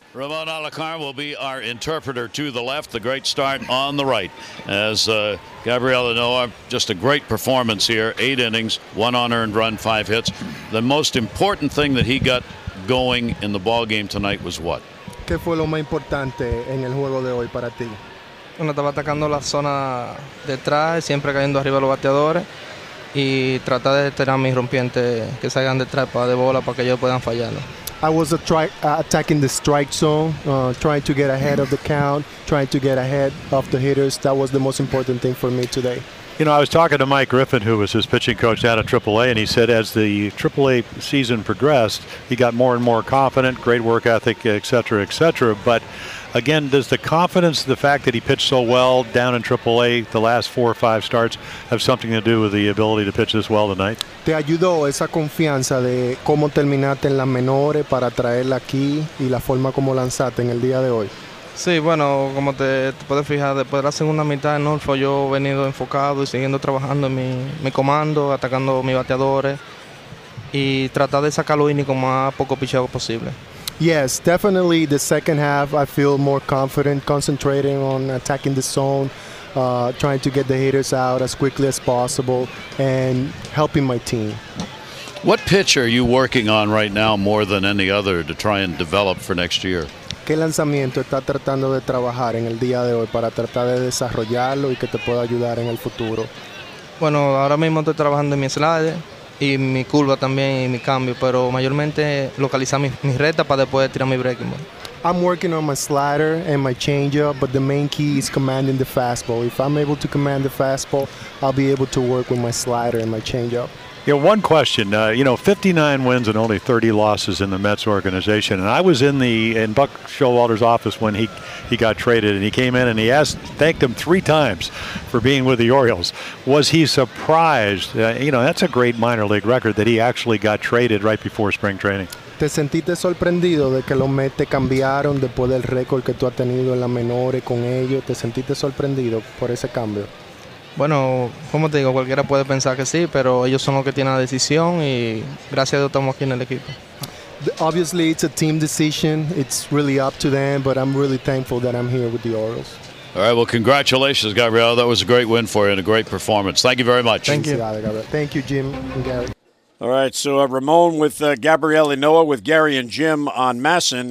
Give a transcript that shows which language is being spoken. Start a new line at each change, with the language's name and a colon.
English: Ramon Alarcon will be our interpreter to the left. The great start on the right as Gabriel Inouye, just a great performance here. 8 innings, 1 unearned run, 5 hits. The most important thing that he got going in the ball game tonight was what?
Spanish: ¿Qué fue lo más importante en el juego de hoy para ti? Bueno, estaba atacando la zona detrás, siempre cayendo arriba los bateadores. Y tratar de tener a mis rompientes que salgan detrás para de bola para que ellos puedan fallarlo.
English: I was attacking the strike zone, trying to get ahead of the count, trying to get ahead of the hitters. That was the most important thing for me today. You know, I was talking to Mike Griffin, who was his pitching coach down at AAA, and he said as the AAA season progressed, he got more and more confident, great work ethic, et cetera, but again, does the confidence, the fact that he pitched so well down in AAA the last 4 or 5 starts, have something to do with the ability to pitch this well tonight?
Spanish: ¿Te ayudó esa confianza de cómo terminaste en las menores para traerla aquí y la forma como lanzaste en el día de hoy? Sí, bueno, como te puedes fijar, después de la segunda mitad en Norfolk, yo he venido enfocado y siguiendo trabajando en mi comando, atacando mis bateadores y tratar de sacar los innings más poco picheado posible.
English: Yes, definitely the second half I feel more confident concentrating on attacking the zone, trying to get the hitters out as quickly as possible and helping my team. What pitch are you working on right now more than any other to try and develop for next year?
Spanish: ¿Qué lanzamiento está tratando de trabajar en el día de hoy para tratar de desarrollarlo y que te pueda ayudar en el futuro? Bueno, ahora mismo estoy trabajando en mi slider y mi curva también y mi cambio, pero mayormente localizar mi recta para después tirar mi breaking ball.
English: I'm working on my slider and my changeup, but the main key is commanding the fastball. If I'm able to command the fastball, I'll be able to work with my slider and my changeup. Yeah, one question. 59 wins and only 30 losses in the Mets organization. And I was in Buck Showalter's office when he got traded, and he came in and he thanked him three times for being with the Orioles. Was he surprised? That's a great minor league record that he actually got traded right before spring training.
Spanish: ¿Te sentiste sorprendido de que los Mets te cambiaron después del récord que tú has tenido en la menores con ellos? ¿Te sentiste sorprendido por ese cambio? Bueno, como te digo, cualquiera puede pensar que sí, pero ellos son los que tienen la decisión y gracias a Dios estamos aquí en el equipo.
English: Obviously, it's a team decision. It's really up to them, but I'm really thankful that I'm here with the Orioles. All right, well, congratulations, Gabriel. That was a great win for you and a great performance. Thank you very much. Thank you. Thank you, Jim and Gary. All right, so Ramon with Gabriel and Noah with Gary and Jim on Masson.